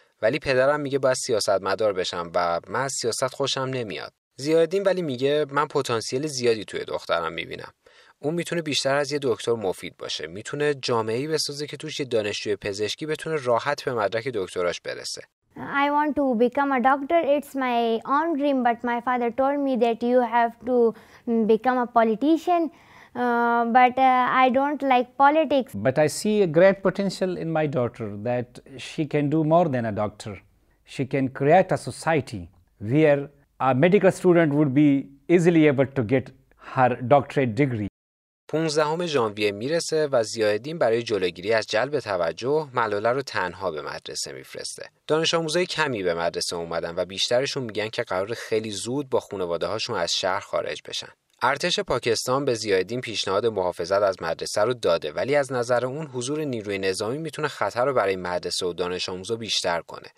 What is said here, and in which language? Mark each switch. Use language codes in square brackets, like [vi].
[fa] ولی پدرم میگه باید سیاستمدار بشم و من از سیاست خوشم نمیاد. ضیاءالدین ولی میگه من پتانسیل زیادی توی دخترم میبینم. اون میتونه بیشتر از یه دکتر مفید باشه. میتونه جامعه‌ای بسازه که توش یه دانشجوی پزشکی بتونه راحت به مدرک دکتراش برسه. [en] I want to become a doctor. It's my own dream, but my father told me that you have to become a politician. but I don't like politics. But I see a great potential in my daughter that she can do more than a doctor. She can create a society where a medical student would be easily able to get her doctorate degree. [fa] 15 ژانویه میرسه و ضیاءالدین برای جلوگیری از جلب توجه ملوله رو تنها به مدرسه میفرسته. دانش آموزای کمی به مدرسه اومدن و بیشترشون میگن که قرار خیلی زود با خانواده هاشون از شهر خارج بشن. ارتش پاکستان به ضیاءالدین پیشنهاد محافظت از مدرسه رو داده، ولی از نظر اون حضور نیروی نظامی میتونه خطر رو برای مدرسه و دانش آموزا بیشتر کنه.